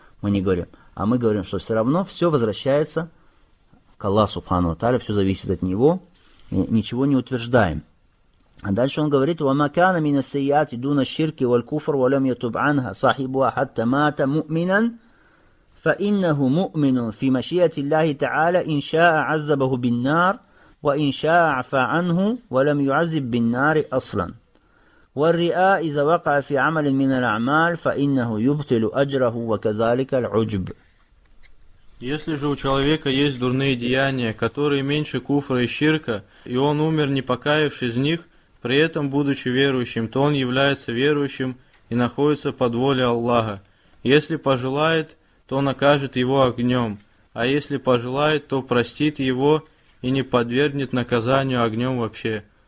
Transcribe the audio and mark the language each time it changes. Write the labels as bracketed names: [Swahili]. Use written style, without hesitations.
[Russian] Мы не говорим, а мы говорим, что все равно все возвращается к Аллаху Субхану Тааля, все зависит от него, и ничего не утверждаем. А дальше он говорит: [Arabic] «Вама кана мина сайяти дуна ширки валь куфр валям ятуб анха сахибуа хатта мата му'минан». فإنه مؤمن في مشيئة الله تعالى إن شاء عذبه بالنار وإن شاء عفى عنه ولم يعذب بالنار أصلا والرئاء إذا وقع في عمل من الأعمال فإنه يبطل أجره وكذلك العجب. [Russian] Если же у человека есть дурные деяния, которые меньше куфра и ширка, и он умер, не покаявшись из них, при этом будучи верующим, то он является верующим и находится под волей Аллаха. Если пожелает, то накажет его огнем, а если пожелает, то простит его и не подвергнет наказанию огнем вообще.